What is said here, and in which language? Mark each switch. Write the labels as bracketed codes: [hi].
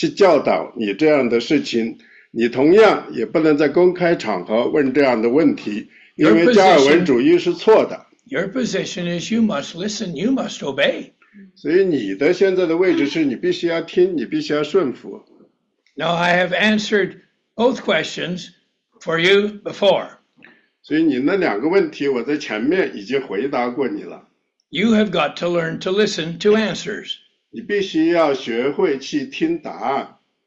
[zh] 所以Yin，你不能去凡圣经，你不能去找你要找的那些经文。那么说呢，我们告诉过你，你不能公开去教导你这样的事情。你同样也不能在公开场合问这样的问题，因为加尔文主义是错的。 [en] Your position is you must listen, you must obey. [zh] 所以你的现在的位置是你必须要听，你必须要顺服。 [en] Now I have answered both questions for you before. [zh] 所以你那两个问题我在前面已经回答过你了。 [en] You have got to learn to listen to answers. [zh] 你必须要学会去听答案。